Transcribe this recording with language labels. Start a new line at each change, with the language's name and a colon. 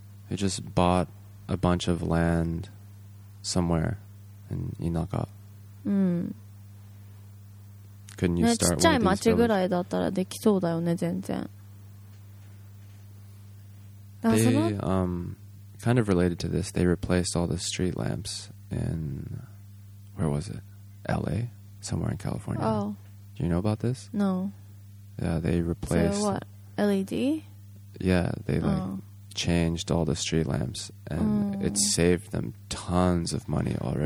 English: They just bought a bunch of land somewhere in 田舎。
Japanese: うん。
English: Couldn't you start with villages?
Japanese: ちっちゃい町ぐらいだったらできそうだよね、全然。
English: They, kind of related to this, they replaced all the street lamps in, where was it? LA? Somewhere in California. Oh. Do you know about this? No. Yeah, they replaced... So what? LED? Yeah, they like changed all the street lamps and it saved them tons of money already.